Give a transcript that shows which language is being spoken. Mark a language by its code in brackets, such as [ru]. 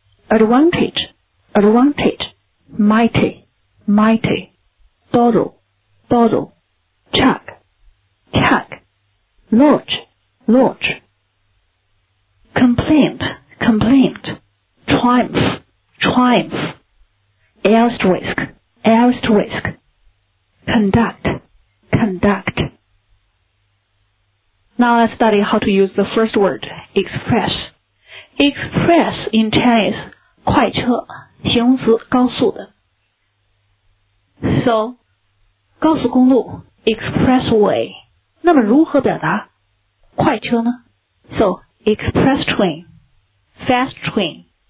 [en] advantage, advantage, mighty, mighty, bottle, bottle, chuck, chuck, lodge, lodge,Complaint, complaint. Triumph, triumph. Asterisk, asterisk. Conduct, conduct. Now let's study how to use the first word, express. Express in Chinese, [zh] 快车形容词高速的。 [en] So, [zh] 高速公路 [en] expressway. [zh] 那么如何表达快车呢 [en] So,Express train, fast train.